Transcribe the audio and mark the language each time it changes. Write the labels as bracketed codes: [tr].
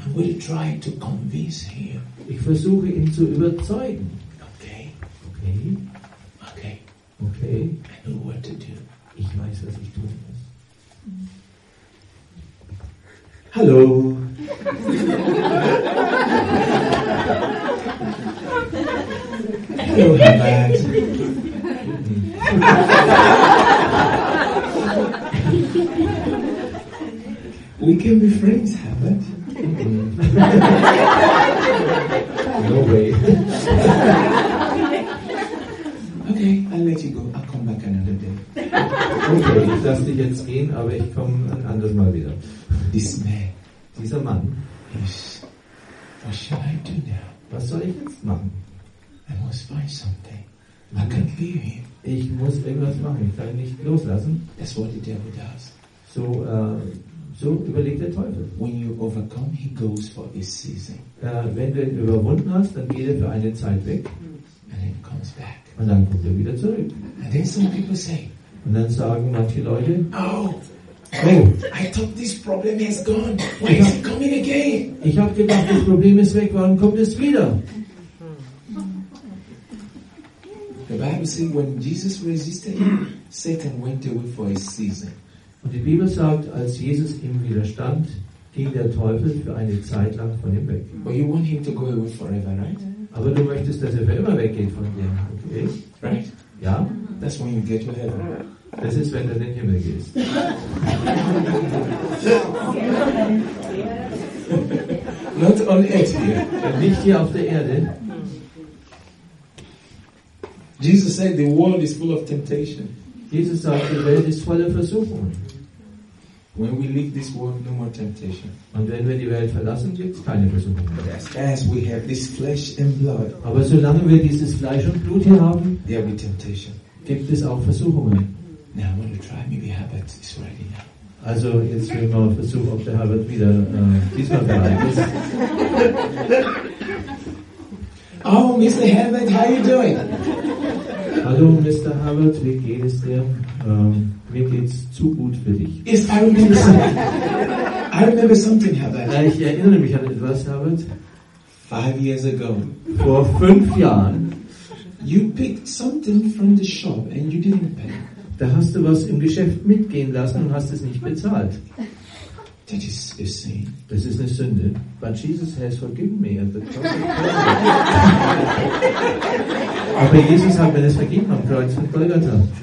[en] I'm going to try to convince him. [de] Ich versuche ihn zu überzeugen. [en] Okay. Okay. Okay. I know what to do. Ich weiß, was ich tun muss. [de] Hallo. Hallo, Herbert. [en] We can be friends, Herbert. No way. I'll let you go. I'll come back another day. [de] Okay, ich lasse dich jetzt gehen, aber ich komme ein anderes Mal wieder. [en] This man, [de] dieser Mann, [en] is, what shall I do now? [de] Was soll ich jetzt machen? [en] I must find something. I can't leave him. [de] Ich muss irgendwas machen. Ich kann ihn nicht loslassen. [en] That's what the devil does. [de] So, so überlegt der Teufel. [en] When you overcome, he goes for a season. [de] Wenn du ihn überwunden hast, dann geht er für eine Zeit weg. [en] And then comes back. [de] Und dann kommt er wieder zurück. [en] And then some people say, [de] und dann sagen manche Leute, [en] oh, oh, I thought this problem has gone. Why is it coming again? [de] Ich habe gedacht, das Problem ist weg. Warum kommt es wieder? [en] The Bible says when Jesus resisted him, Satan went away for a season. [de] Und die Bibel sagt, als Jesus ihm widerstand, ging der Teufel für eine Zeit lang von ihm weg. [en] But you want him to go away forever, right? [de] Aber du möchtest, dass er für immer weggeht von dir, okay? [en] Right? [de] Ja. [en] That's when you get to heaven. [de] Das ist, wenn du in den Himmel gehst. [en] Not on earth here. [de] Nicht hier auf der Erde. [en] Jesus said the world is full of temptation. [de] Jesus sagt, die Welt ist voller Versuchung. [en] When we leave this world, no more temptation. [de] Und wenn wir die Welt verlassen, gibt es keine Versuchung mehr. [en] As we have this flesh and blood, [de] aber solange wir dieses Fleisch und Blut hier haben, [en] there will be temptation. [de] Gibt es auch Versuchungen. [en] Now I want to try, maybe Herbert is ready now. [de] Also jetzt will man versuchen, ob der Herbert wieder diesmal bereit ist. [en] Oh, Mr. Herbert, how are you doing? [de] Hallo, Mr. Herbert, wie geht es dir? Mir geht's zu gut für dich. [en] Yes, I remember something, Herbert. [de] Ich erinnere mich an etwas, Herbert. [en] 5 years ago. [de] Vor 5 Jahren. [en] You picked something from the shop and you didn't pay. [de] Da hast du was im Geschäft mitgehen lassen und hast es nicht bezahlt. [en] That is a sin. [de] Das ist eine Sünde. [en] But Jesus has forgiven me at the cross. [de] Aber Jesus hat mir das vergeben am Kreuz von Golgatha.